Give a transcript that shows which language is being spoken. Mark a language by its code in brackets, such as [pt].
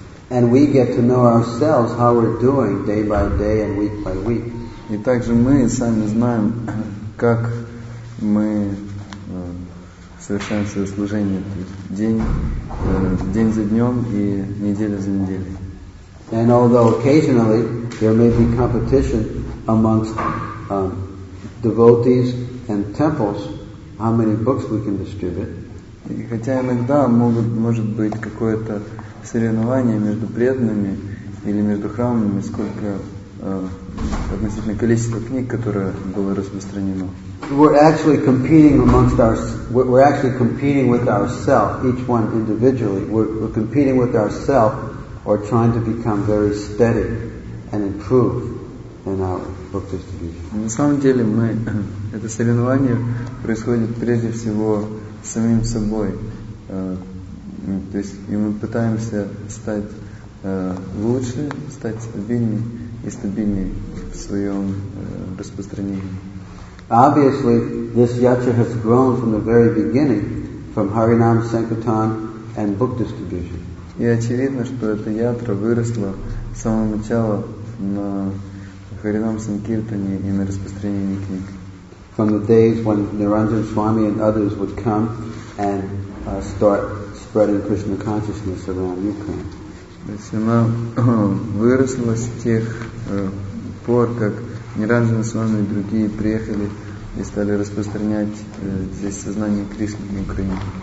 [en] And we get to know ourselves how we're doing day by day and week by week. [ru] И также мы сами знаем, как мы совершаем свое служение день за днем и неделя за неделей. [en] And although occasionally there may be competition amongst devotees and temples, how many books we can distribute. [ru] И хотя иногда может быть какое-то соревнование между преданными или между храмами, сколько относительно количества книг, которое было распространено. [en] We're actually competing with ourselves, each one individually. We're competing with ourselves or trying to become very steady and improve in our book distribution. [ru] На самом деле это соревнование происходит прежде всего с самим собой. То есть мы пытаемся стать лучше, стать стабильнее и стабильнее в своем распространении. [en] Obviously, this yatra has grown from the very beginning, from Harinam Sankirtan and book distribution. [ru] И очевидно, что эта ятра выросла с самого начала на Харинам Санкиртане и на распространении книг. [en] From the days when Niranjan Swami and others would come and start spreading Krishna consciousness around Ukraine. [ru] То есть она выросла с тех пор, как Ниранджана Свами и другие приехали и стали распространять здесь сознание Кришны в Украине.